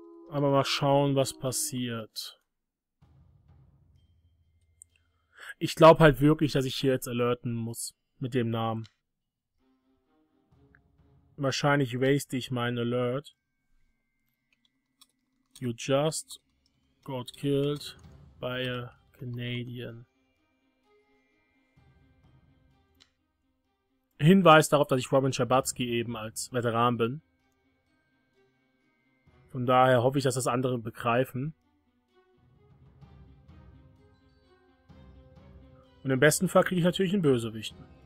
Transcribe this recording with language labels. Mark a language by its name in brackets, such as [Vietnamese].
[German] Aber mal schauen, was passiert. Ich glaube halt wirklich, dass ich hier jetzt alerten muss. Mit dem Namen. Wahrscheinlich waste ich meinen Alert. [English] You just got killed by a Canadian. [German] Hinweis darauf, dass ich Robin Scherbatsky eben als Veteran bin. Von daher hoffe ich, dass das andere begreifen. Und im besten Fall kriege ich natürlich einen Bösewichten.